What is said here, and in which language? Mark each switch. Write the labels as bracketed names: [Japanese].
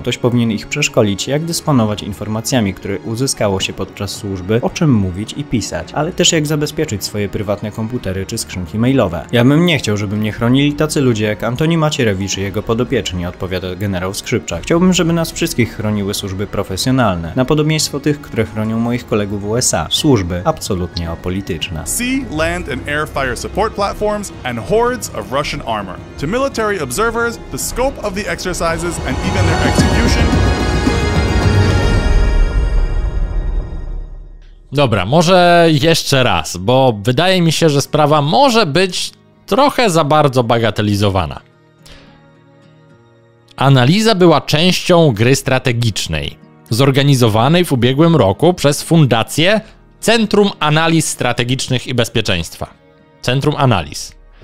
[Polish] Ktoś powinien ich przeszkolić, jak dysponować informacjami, które uzyskało się podczas służby, o czym mówić i pisać, ale też jak zabezpieczyć swoje prywatne komputery czy skrzynki mailowe. Ja bym nie chciał, żeby mnie chronili tacy ludzie jak Antoni Macierewicz i jego podopieczni, odpowiada generał Skrzypczak. Chciałbym, żeby nas wszystkich chroniły służby profesjonalne, na podobieństwo tych, które chronią moich kolegów w USA. Służby absolutnie apolityczne. [English] Sea, land and air fire support platforms and hordes of Russian armor. To military observers, the scope of the exercises and even their execution. [Polish] Dobra, może jeszcze raz, bo wydaje mi się, że sprawa może być trochę za bardzo bagatelizowana. Analiza była częścią gry strategicznej, zorganizowanej w ubiegłym roku przez Fundację Centrum Analiz Strategicznych i Bezpieczeństwa. Centrum Analiz.